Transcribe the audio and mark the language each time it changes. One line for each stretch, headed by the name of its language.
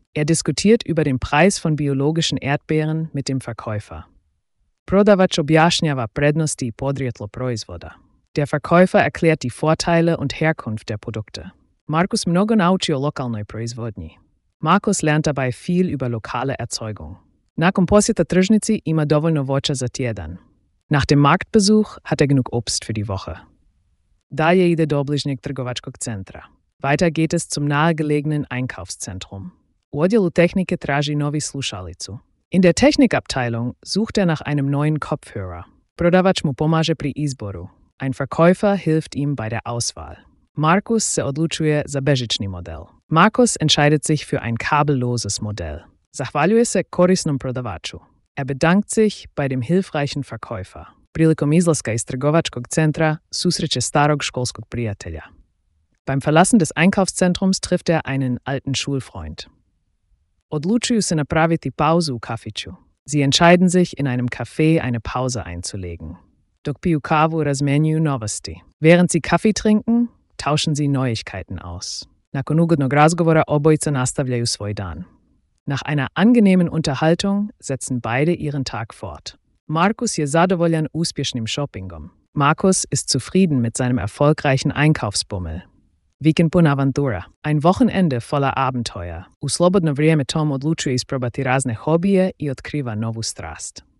German: Er diskutiert über den Preis von biologischen Erdbeeren mit dem Verkäufer.
Croatian: Prodavač objašnjava prednosti i podrijetlo proizvoda.
German: Der Verkäufer erklärt die Vorteile und Herkunft der Produkte.
Croatian: Markus mnogo nauči o lokalnoj proizvodnji.
German: Markus lernt dabei viel über lokale Erzeugung.
Croatian: Nakon posjeta tržnici ima dovoljno voća za tjedan.
German: Nach dem Marktbesuch hat er genug Obst für die Woche.
Croatian: Dalje ide do bližnjeg trgovačkog centra.
German: Weiter geht es zum nahegelegenen Einkaufszentrum.
Croatian: U odjelu tehnike traži novi slušalicu.
German: In der Technikabteilung sucht er nach einem neuen Kopfhörer.
Croatian: Prodavač mu pomaže pri izboru.
German: Ein Verkäufer hilft ihm bei der Auswahl.
Croatian: Markus se odlučuje za bežični model.
German: Markus entscheidet sich für ein kabelloses Modell.
Croatian: Zahvaljuje se korisnom prodavaču.
German: Er bedankt sich bei dem hilfreichen Verkäufer.
Croatian: Prilikom izlaska iz trgovačkog centra susreće starog školskog prijatelja.
German: Beim Verlassen des Einkaufszentrums trifft er einen alten Schulfreund.
Croatian: Odlučuju se napraviti pauzu u kafiću.
German: Sie entscheiden sich, in einem Café eine Pause einzulegen.
Croatian: Dok piju kavu razmenjuju novosti.
German: Während sie Kaffee trinken, tauschen sie Neuigkeiten aus.
Croatian: Nakon ugodnog razgovora obojica nastavljaju svoj dan.
German: Nach einer angenehmen Unterhaltung setzen beide ihren Tag fort.
Croatian: Markus je zadovoljan uspješnim shoppingom.
German: Markus ist zufrieden mit seinem erfolgreichen Einkaufsbummel.
Croatian: Vikend pun avantura.
German: Ein Wochenende voller Abenteuer.
Croatian: U slobodno vrijeme Tom odlučuje isprobati razne hobije i otkriva novu strast.